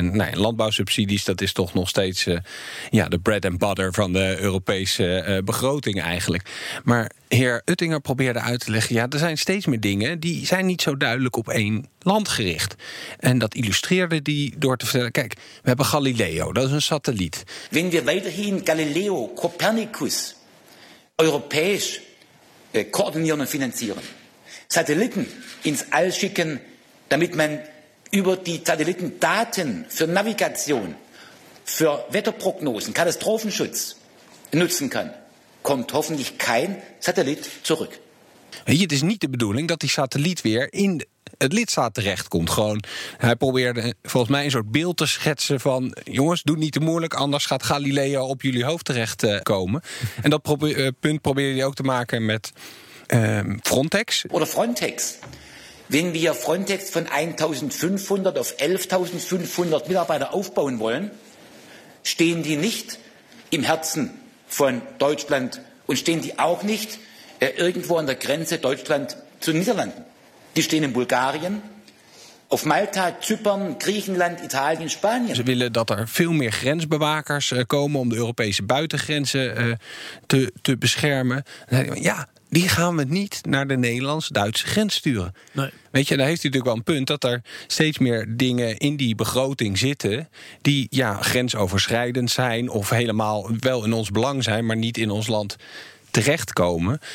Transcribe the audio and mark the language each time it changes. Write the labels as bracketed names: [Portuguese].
[Dutch] En nee, landbouwsubsidies, dat is toch nog steeds de [English] bread and butter [Dutch] van de Europese begroting eigenlijk. Maar heer Uttinger probeerde uit te leggen, ja, er zijn steeds meer dingen die zijn niet zo duidelijk op één land gericht. En dat illustreerde die door te vertellen, kijk, we hebben Galileo, dat is een satelliet. [German] Wenn wir weiterhin Galileo, Copernicus, Europees koordinieren und finanzieren, Satelliten ins All schicken, damit man über die Satellitendaten für Navigation, für Wetterprognosen, Katastrophenschutz nutzen kann, kommt hoffentlich kein Satellit zurück. [Dutch] Hier, het is niet de bedoeling dat die satelliet weer in het lidstaat terechtkomt. Gewoon, hij probeerde volgens mij een soort beeld te schetsen van, jongens, doe niet te moeilijk, anders gaat Galileo op jullie hoofd terechtkomen. En dat punt probeerde hij ook te maken met Frontex. [German] Oder Frontex. Wenn wir Frontex van 1.500 of 11.500 Mitarbeiter aufbauen wollen, stehen die nicht im Herzen von Deutschland und stehen die auch nicht irgendwo an der Grenze Deutschland zu Niederlanden. Die stehen in Bulgarien, auf Malta, Zypern, Griechenland, Italien, Spanien. [Dutch] Ze willen dat er veel meer grensbewakers komen om de Europese buitengrenzen te beschermen. Ja, die gaan we niet naar de Nederlands-Duitse grens sturen. Nee. Weet je, daar heeft hij natuurlijk wel een punt dat er steeds meer dingen in die begroting zitten die ja grensoverschrijdend zijn of helemaal wel in ons belang zijn, maar niet in ons land terechtkomen.